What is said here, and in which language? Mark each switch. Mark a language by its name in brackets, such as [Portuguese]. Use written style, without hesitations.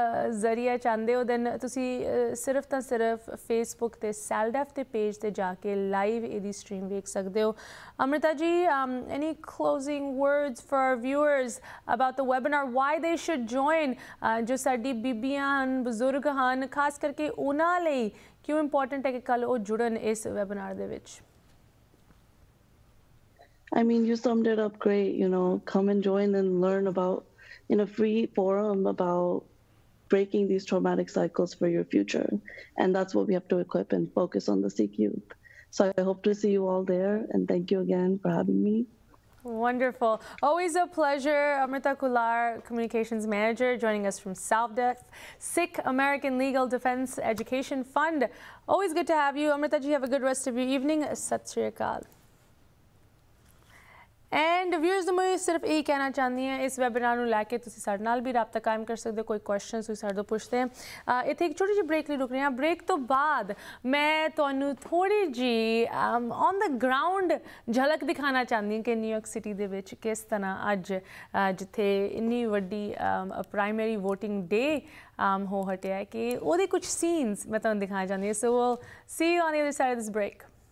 [Punjabi] ਜ਼ਰੀਆ ਚਾਹੁੰਦੇ ਹੋ ਦੈਨ ਤੁਸੀਂ ਸਿਰਫ ਤਾਂ ਸਿਰਫ ਫੇਸਬੁੱਕ 'ਤੇ ਸੈਲਡੈਫ ਦੇ ਪੇਜ 'ਤੇ ਜਾ ਕੇ ਲਾਈਵ ਇਹਦੀ ਸਟ੍ਰੀਮ ਵੇਖ ਸਕਦੇ ਹੋ ਅਮ੍ਰਿਤਾ ਜੀ [English] any closing words for viewers about the webinar why they should join [Punjabi] ਜੋ ਸਾਡੀ ਬੀਬੀਆਂ ਹਨ ਬਜ਼ੁਰਗ ਹਨ ਖਾਸ ਕਰਕੇ ਉਹਨਾਂ ਲਈ ਕਿਉਂ ਇੰਪੋਰਟੈਂਟ ਹੈ ਕਿ ਕੱਲ੍ਹ ਉਹ ਜੁੜਨ ਇਸ ਵੈਬੀਨਾਰ ਦੇ ਵਿੱਚ [English] I mean, you summed it up great, you know, come and join and learn about in a free forum about breaking these traumatic cycles for your future. And that's what we have to equip and focus on the Sikh youth. So I hope to see you all there. And thank you again for having me. Wonderful. Always a pleasure. AMRITA KULAR, Communications Manager, joining us from Saldef, Sikh American Legal Defense Education Fund. Always good to have you. AMRITA ji, have a good rest of your evening. [Punjabi] Sat Sri Akal. And ਵਿਊਰਸ ਨੂੰ ਮੈਂ ਸਿਰਫ ਇਹੀ ਕਹਿਣਾ ਚਾਹੁੰਦੀ ਹਾਂ ਇਸ webinar ਨੂੰ ਲੈ ਕੇ ਤੁਸੀਂ ਸਾਡੇ ਨਾਲ ਵੀ ਰਾਬਤਾ ਕਾਇਮ ਕਰ ਸਕਦੇ ਹੋ ਕੋਈ ਕੁਐਸਚਨ ਤੁਸੀਂ ਸਾਡੇ ਤੋਂ ਪੁੱਛਦੇ ਹੈ ਇੱਥੇ ਇੱਕ ਛੋਟੀ ਜਿਹੀ ਬ੍ਰੇਕ ਲਈ ਰੁਕ ਰਹੇ ਹਾਂ ਬ੍ਰੇਕ ਤੋਂ ਬਾਅਦ ਮੈਂ ਤੁਹਾਨੂੰ ਥੋੜ੍ਹੀ ਜੀ [English] on the ground [Punjabi] ਝਲਕ ਦਿਖਾਉਣਾ ਚਾਹੁੰਦੀ ਹਾਂ ਕਿ ਨਿਊਯਾਰਕ ਸਿਟੀ ਦੇ ਵਿੱਚ ਕਿਸ ਤਰ੍ਹਾਂ ਅੱਜ ਜਿੱਥੇ ਇੰਨੀ ਵੱਡੀ ਪ੍ਰਾਈਮਰੀ ਵੋਟਿੰਗ ਡੇ ਹੋ ਹਟਿਆ ਕਿ ਉਹਦੇ ਕੁਛ ਸੀਨਸ ਮੈਂ ਤੁਹਾਨੂੰ ਦਿਖਾਉਣਾ ਚਾਹੁੰਦੀ ਹਾਂ [English] so see on the other side this break